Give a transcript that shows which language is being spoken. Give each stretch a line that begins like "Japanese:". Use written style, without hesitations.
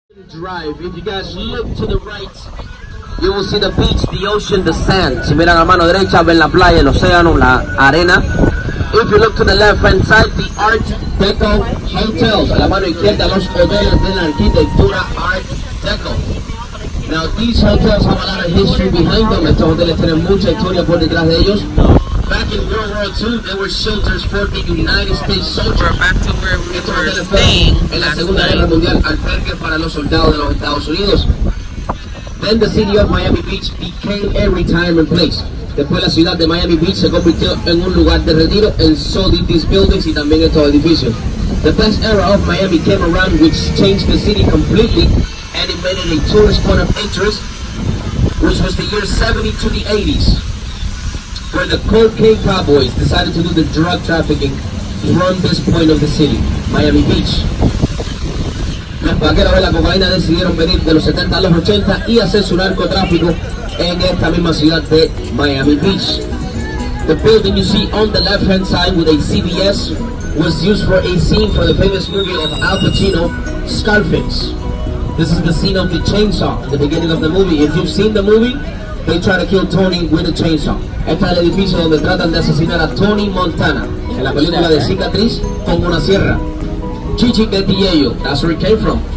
English: Drive. If you guys look to the right, you will see the beach, the ocean, the sand.
Spanish: Si miran a mano derecha, ven la playa, el océano, la arena.
English: If you look to the left hand side, the Art Deco Hotel.
Spanish: A la mano izquierda, los hoteles de la arquitectura Art Deco.
English: Now, these hotels have a lot of history behind them.
Spanish: Estos hoteles tienen mucha historia por detrás de ellos.
English: Back in World War II, they were shelters for the United States soldiers. Back to where we were staying.
Spanish: En la Segunda Guerra Mundial, albergue para los soldados de los Estados Unidos.
English: Then the city of Miami Beach became a retirement place.
Spanish: Después la ciudad de Miami Beach se convirtió en un lugar de retiro,
English: and so did these buildings
Spanish: y también estos edificios.
English: The best era of Miami came around, which changed the city completely, and it made it a tourist point of interest, which was the year 70 to the 80s, where the cocaine cowboys decided to do the drug trafficking from this point of the city, Miami Beach.
Spanish: Los vaqueros de la cocaína decidieron venir de los 70 a los 80 y hacer su narcotráfico en esta misma ciudad de Miami Beach.
English: The building you see on the left hand side with a CBS was used for a scene for the famous movie of Al Pacino, Scarface. This is the scene of the chainsaw, the beginning of the movie. If you've seen the movie, they try to kill Tony with a chainsaw.
Spanish: Este es el edificio donde tratan de asesinar a Tony Montana en la película de Cicatriz con una sierra.
English: Chichi get the yeyo, that's where it came from.